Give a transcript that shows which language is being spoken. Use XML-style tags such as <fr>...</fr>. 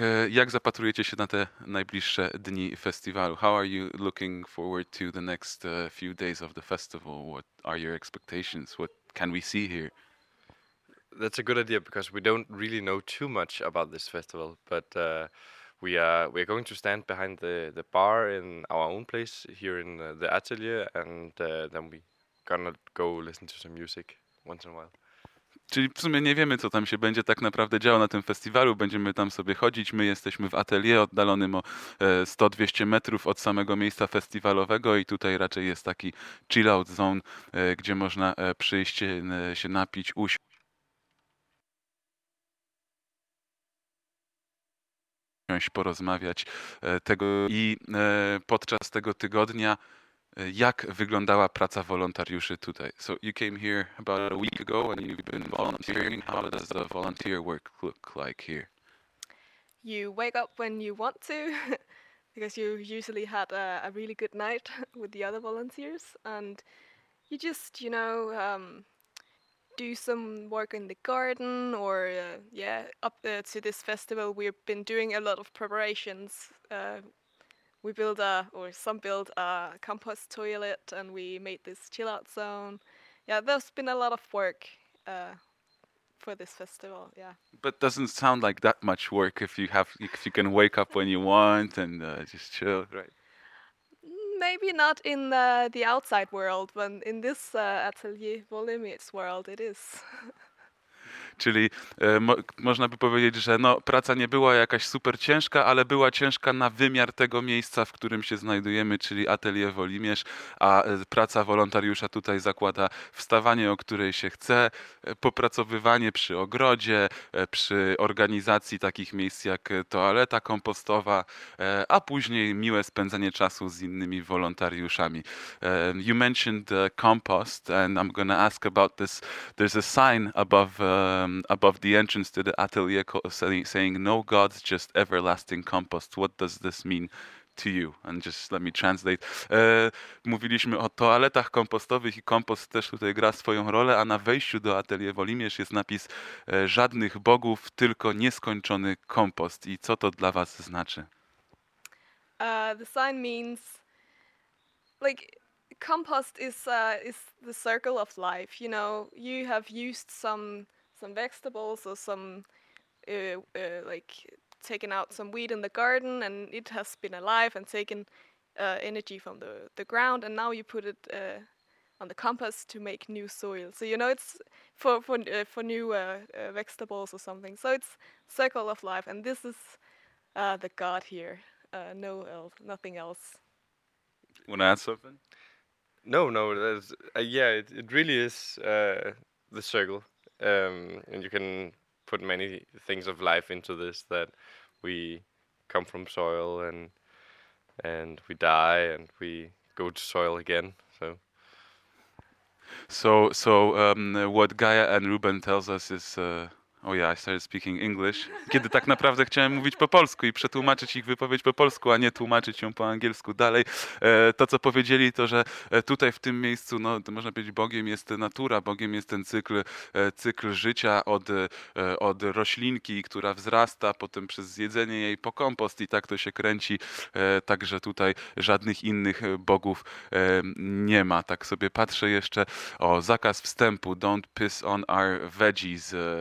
<pl>Jak zapatrujecie się na te najbliższe dni festiwalu?</pl> <en>How are you looking forward to the next few days of the festival? What are your expectations? What can we see here? That's a good idea because we don't really know too much about this festival, but we are going to stand behind the bar in our own place here in the atelier and then we gonna go listen to some music once in a while.</en> <pl>Czyli w sumie nie wiemy, co tam się będzie tak naprawdę działo na tym festiwalu. Będziemy tam sobie chodzić. My jesteśmy w atelier oddalonym o 100-200 metrów od samego miejsca festiwalowego i tutaj raczej jest taki chill-out zone, gdzie można przyjść, się napić, usiąść. Porozmawiać tego i podczas tego tygodnia jak wyglądała praca wolontariuszy tutaj?</pl> <en>So you came here about a week ago and you've been volunteering. How does the volunteer work look like here? You wake up when you want to because you usually had a really good night with the other volunteers and you just, you know, do some work in the garden or up to this festival we've been doing a lot of preparations. We build a compost toilet and we made this chill out zone. Yeah, there's been a lot of work for this festival, yeah. But doesn't sound like that much work if you can wake up when you want and just chill, right? Maybe not in the outside world, but in this Atelier Volimits world it is.</en> <pl>Czyli można by powiedzieć, że no, praca nie była jakaś super ciężka, ale była ciężka na wymiar tego miejsca, w którym się znajdujemy, czyli Atelier Wolimierz, a praca wolontariusza tutaj zakłada wstawanie, o której się chce, popracowywanie przy ogrodzie, przy organizacji takich miejsc jak toaleta kompostowa, a później miłe spędzanie czasu z innymi wolontariuszami.</pl> <en>You mentioned compost and I'm gonna ask about this. There's a sign above the entrance to the atelier saying no gods, just everlasting compost. What does this mean to you? And just let me translate.</en> <pl>Mówiliśmy o toaletach kompostowych i kompost też tutaj gra swoją rolę, a na wejściu do Atelier Wolimierz jest napis żadnych bogów, tylko nieskończony kompost. I co to dla was znaczy?</pl> <en>The sign means like compost is the circle of life. You know, you have used some vegetables or some like taken out some weed in the garden and it has been alive and taken energy from the ground, and now you put it on the compost to make new soil. So you know it's for new vegetables or something. So it's circle of life, and this is the God here, nothing else. Want to add something? No. It really is the circle, and you can put many things of life into this, that we come from soil and we die and we go to soil again. So what Gaia and Ruben tells us is... I started speaking English.</en> <pl>Kiedy tak naprawdę chciałem mówić po polsku i przetłumaczyć ich wypowiedź po polsku, a nie tłumaczyć ją po angielsku dalej. To, co powiedzieli, to, że tutaj w tym miejscu, no, to można powiedzieć, Bogiem jest natura, Bogiem jest ten cykl życia od roślinki, która wzrasta, potem przez zjedzenie jej po kompost i tak to się kręci. Także tutaj żadnych innych bogów nie ma. Tak sobie patrzę jeszcze. O, zakaz wstępu.</pl> <en>Don't piss on our veggies.</en>